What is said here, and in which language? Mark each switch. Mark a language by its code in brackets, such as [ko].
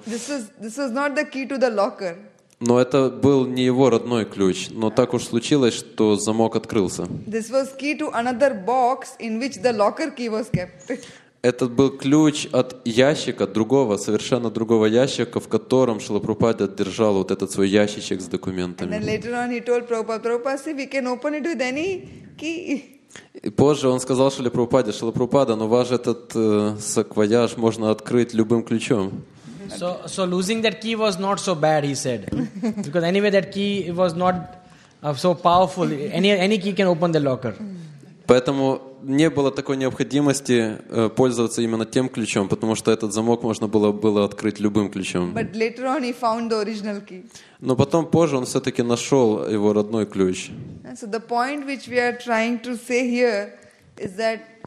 [en] This was not the key to the locker. [ru] Но это был не его родной ключ. Но так уж случилось, что замок открылся. [en] This was key to another box in which the locker key was kept. [ru] Этот был ключ от ящика, другого, совершенно другого ящика, в котором Шрила Прабхупада держал вот этот свой ящичек с документами. [en] And then later on he told Prabhupada, see, we can open it with any key. [ru] И позже он сказал Шриле Прабхупаде, Шрила Прабхупада, но ваш этот саквояж можно открыть любым ключом. [en] So losing that key was not so bad, he said. Because anyway, that key was not so powerful. Any key can open the locker. [ru] Поэтому не было такой необходимости пользоваться именно тем ключом, потому что этот замок можно было открыть любым ключом. [en] But later on he found the original key. [ru] Но потом позже он все-таки нашел его родной ключ. [en] So the point which we are trying to say here is that